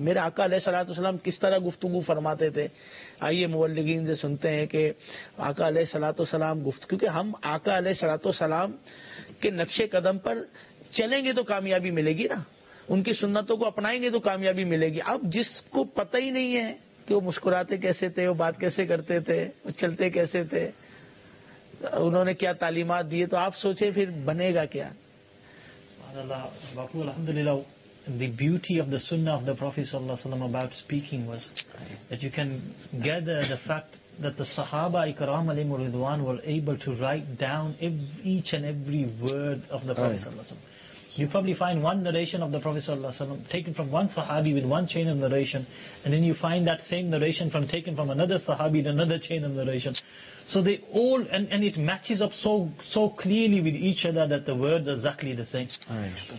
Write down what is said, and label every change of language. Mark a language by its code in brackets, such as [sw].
[ur] میرے آقا علیہ الصلوۃ والسلام کس طرح گفتگو فرماتے تھے؟ آئیے مبلغین سے سنتے ہیں کہ آقا علیہ الصلوۃ والسلام گفتگو، کیونکہ ہم آقا علیہ الصلوۃ والسلام کے نقش قدم پر چلیں گے تو کامیابی ملے گی نا، ان کی سنتوں کو اپنائیں گے تو کامیابی ملے گی. اب جس کو پتہ ہی نہیں ہے کہ وہ مسکراتے کیسے تھے، وہ بات کیسے کرتے تھے، وہ چلتے کیسے تھے، انہوں نے کیا تعلیمات دیے، تو آپ سوچیں پھر بنے گا کیا. [en] بابو الحمدللہ، the beauty of the سنہ آف دا پروفیٹ صلی اللہ علیہ وسلم about speaking was that you can gather the fact that the صحابہ اکرام علیہم رضوان were able to write down each and every word of the Prophet صلی اللہ علیہ وسلم. You probably find one narration of the Prophet sallallahu alaihi wasallam taken from one sahabi with one chain of narration, and then you find that same narration from taken from another sahabi in another chain of narration. So they all and it matches up so clearly with each other that the words are exactly the same.